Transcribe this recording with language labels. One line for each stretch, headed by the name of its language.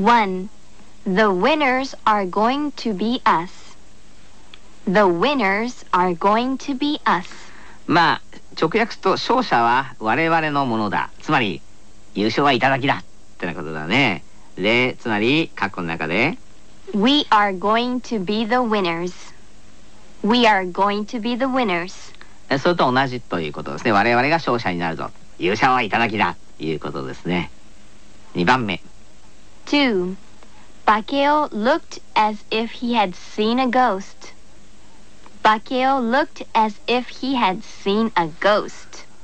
English: 1. The winners are going to be us. The winners are going to be us.
Japanese: まあ直訳すると、勝者は我々のものだ、つまり優勝はいただきだってなことだね。で、つまり括弧の中で
English: We are going to be the winnersWe are going to be the winners.
Japanese: それと同じということですね。我々が勝者になるぞ。勇者はいただきだということですね。 2番目。
English: 2. Bakeo looked as if he had seen a ghost. Bakeo looked as if he had seen a ghost.